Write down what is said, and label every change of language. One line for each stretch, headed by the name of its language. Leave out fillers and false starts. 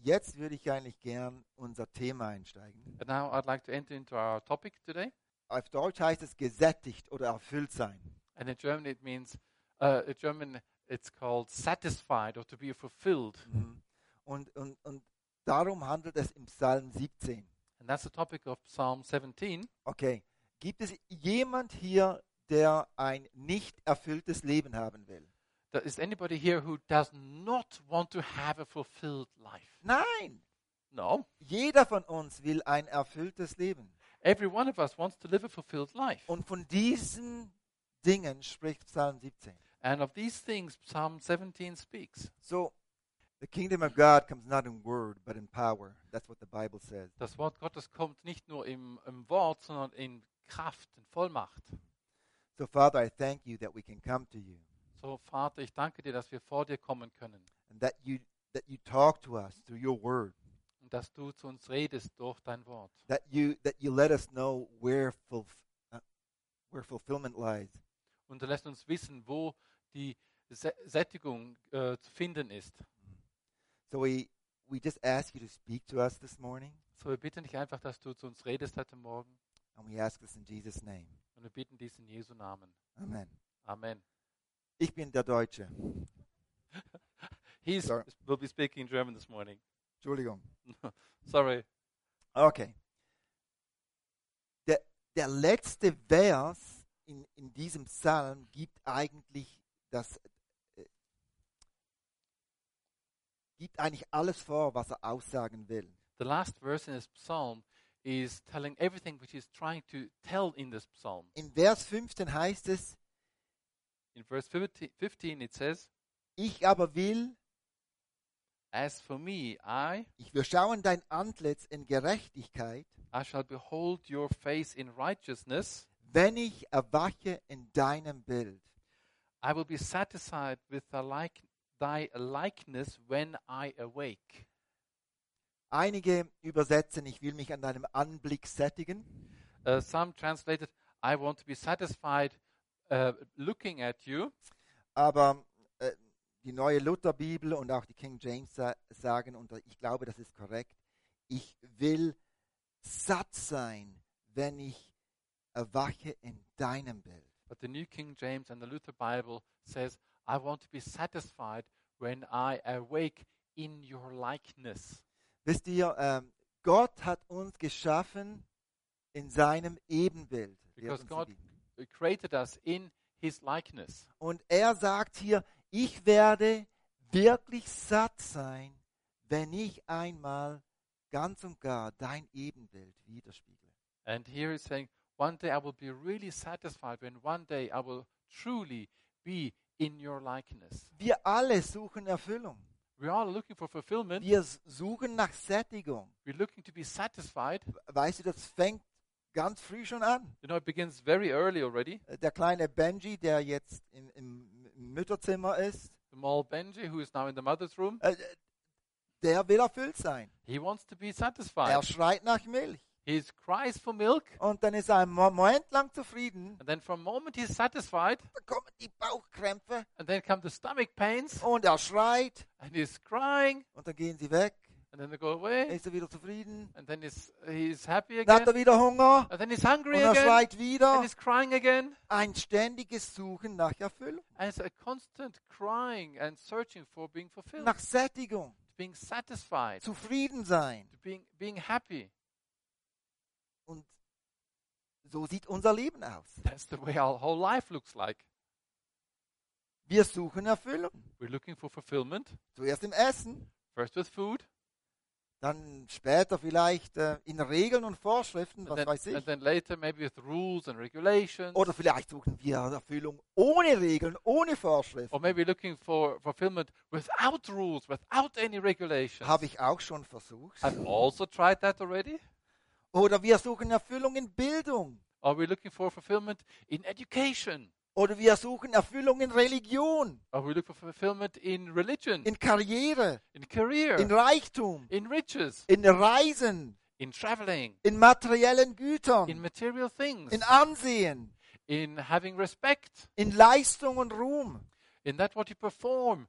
German: Jetzt würde ich eigentlich gern unser Thema einsteigen.
English: And now I'd like to enter into our topic today.
German: Auf Deutsch heißt es gesättigt oder erfüllt sein.
English: And in German it means it's called satisfied or to be fulfilled. Mm-hmm.
German: Und darum handelt es im Psalm 17.
English: And that's the topic of Psalm 17. Okay.
German: Gibt es jemand hier, der ein nicht erfülltes Leben haben will?
English: Is anybody here who does not want to have a fulfilled life?
German: Nein.
English: No.
German: Jeder von uns will ein erfülltes Leben.
English: Every one of us wants to live a fulfilled life.
German: Und von diesen Dingen spricht Psalm 17.
English: And of these things Psalm 17 speaks. So, the kingdom of God comes not in word but in power. That's what the Bible says.
German: Das Wort Gottes kommt nicht nur im Wort, sondern in Kraft und Vollmacht.
English: So Father, I thank you that we can come to you.
German: So Vater, ich danke dir, dass wir vor dir kommen können.
English: And that you talk to us through your word.
German: Und dass du zu uns redest durch dein Wort.
English: That you let us know where fulfillment lies.
German: Und du lässt uns wissen, wo die Sättigung zu finden ist.
English: So we just ask you to speak to us this morning.
German: So wir bitten dich einfach, dass du zu uns redest heute Morgen.
English: And we ask this in Jesus' name.
German: Und wir bitten dies in Jesu Namen.
English: Amen.
German: Amen. Ich bin der Deutsche.
English: We'll be speaking in German this morning.
German: Entschuldigung.
English: Sorry. Okay.
German: Der letzte Vers in diesem Psalm gibt eigentlich alles vor, was er aussagen will.
English: The last verse in this psalm is telling everything which he's trying to tell in this psalm.
German: In Vers 15 heißt es,
English: in verse 15 it says,
German: ich aber will,
English: as for me,
German: ich will schauen dein Antlitz in Gerechtigkeit,
English: I shall behold your face in righteousness,
German: wenn ich erwache in deinem Bild.
English: I will be satisfied with thy likeness when I awake.
German: Einige übersetzen, ich will mich an deinem Anblick sättigen.
English: Some translated, I want to be satisfied looking at you.
German: Aber die neue Lutherbibel und auch die King James sagen, und ich glaube, das ist korrekt, ich will satt sein, wenn ich erwache in deinem Bild.
English: But the New King James and the Luther Bible says, I want to be satisfied when I awake in your likeness.
German: Wisst ihr, Gott hat uns geschaffen in seinem Ebenbild.
English: Because God created us in his likeness.
German: Und er sagt hier, ich werde wirklich satt sein, wenn ich einmal ganz und gar dein Ebenbild widerspiegle.
English: And here he's saying, one day I will be really satisfied when one day I will truly be in your likeness.
German: Wir alle suchen Erfüllung.
English: We are looking for fulfillment.
German: Wir suchen nach Sättigung.
English: We're looking to be satisfied.
German: Weißt du, das fängt ganz früh schon an.
English: You know, it begins very early already.
German: Der kleine Benji, der jetzt im Mütterzimmer ist.
English: The small Benji, who is now in the mother's room.
German: Der will erfüllt sein.
English: He wants to be satisfied.
German: Er schreit nach Milch.
English: He cries for milk.
German: Und dann ist er einen Moment lang zufrieden.
English: And then for a moment he's satisfied.
German: Dann kommen die Bauchkrämpfe.
English: And then come the stomach pains.
German: Und er schreit.
English: And he's crying.
German: Und dann gehen sie weg.
English: And then they go away.
German: Dann ist er wieder zufrieden.
English: And then he's happy again.
German: Dann hat er wieder Hunger.
English: And then he's hungry again.
German: Und er schreit wieder.
English: And he's crying again.
German: Ein ständiges Suchen nach Erfüllung.
English: And it's a constant crying and searching for being fulfilled.
German: Nach Sättigung.
English: To being satisfied.
German: Zufrieden sein.
English: To being happy.
German: Und so sieht unser Leben aus.
English: That's the way our whole life looks like.
German: Wir suchen Erfüllung.
English: We're looking for fulfillment.
German: Zuerst im Essen.
English: First with food.
German: Dann später vielleicht in Regeln und Vorschriften, was weiß ich.
English: And then later maybe with rules and regulations.
German: Oder vielleicht suchen wir Erfüllung ohne Regeln, ohne Vorschriften.
English: Or maybe looking for fulfillment without rules, without any regulations.
German: Habe ich auch schon versucht.
English: I've also tried that already.
German: Oder wir suchen Erfüllung in Bildung.
English: Or we're looking for fulfillment in education.
German: Oder wir suchen Erfüllung in Religion.
English: Or we look for fulfillment in religion.
German: In Karriere.
English: In career.
German: In Reichtum.
English: In riches.
German: In Reisen.
English: In traveling.
German: In materiellen Gütern.
English: In material things.
German: In Ansehen.
English: In having respect.
German: In Leistung und Ruhm.
English: In that what you perform.